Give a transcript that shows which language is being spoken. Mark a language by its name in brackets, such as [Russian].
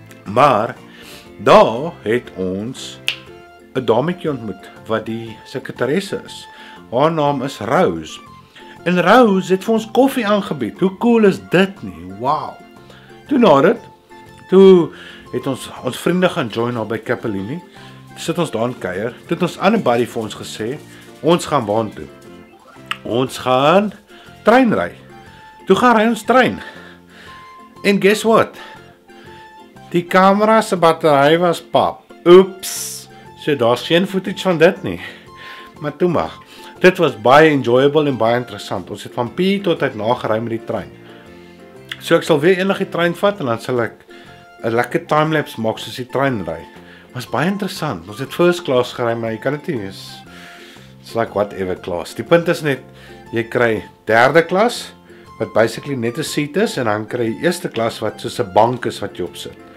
[Afrikaans] Maar, daar het ons een dametje ontmoet, wat die sekretaresse is. Haar naam is Rose. En Rose het vir ons koffie aangebied. Hoe cool is dit nie? Wauw. Toe na dit, toe het ons vriende gaan join daar by Capellini. Sit ons daar in kuier. Dit ons ander buddy vir ons gesê, ons gaan baan toe. Ons gaan trein ry. Toe gaan ry ons trein. En [English] guess what? [Afrikaans] Die camera se battery was pap. Oeps. So daar's geen footage van dit nie. Maar toe mag. Dit was baie enjoyable en baie interessant. Ons het van P tot uit nagery met die trein. So ek sal weer enig die trein vat en dan sal ek 'n lekker timelapse maak soos die trein ry. Was baie interessant. Ons het first class gery, maar jy kan dit nie eens. [English] It's like whatever class. [Afrikaans] Die punt is net jy kry derde klas wat basically net 'n seat is en dan kry jy eerste klas wat soos 'n bank is wat jy op sit.